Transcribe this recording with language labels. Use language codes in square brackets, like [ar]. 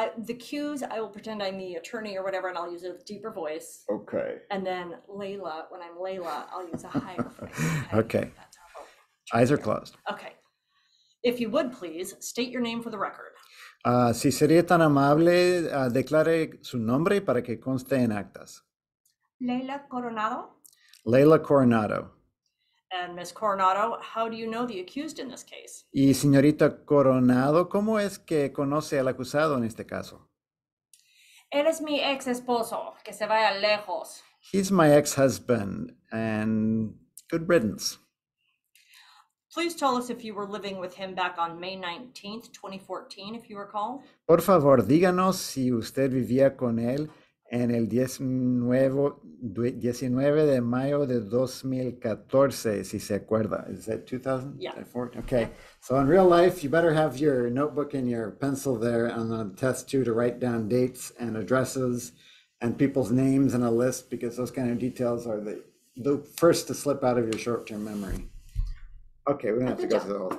[en] The cues, I will pretend I'm the attorney or whatever, and I'll use a deeper voice. Okay. And then Layla, when I'm Layla, I'll use a higher voice. Okay. Eyes are closed. Okay. If you would please state your name for the record. [es] Si sería tan amable, declare su nombre para que conste en actas. Layla Coronado. Layla Coronado. [en] And Ms. Coronado, how do you know the accused in this case? [es] Y señorita Coronado, ¿cómo es que conoce al acusado en este caso? Él es mi ex esposo, que se vaya lejos. [en] He's my ex-husband, and good riddance. Please tell us if you were living with him back on May 19th, 2014, if you recall. [es] Por favor, díganos si usted vivía con él en el 19 de mayo de 2014, si se acuerda. [en] Is that 2014? Yeah. Okay. So in real life, you better have your notebook and your pencil there on the test too to write down dates and addresses and people's names and a list, because those kind of details are the first to slip out of your short-term memory. Okay, we're going to have to go through the whole thing.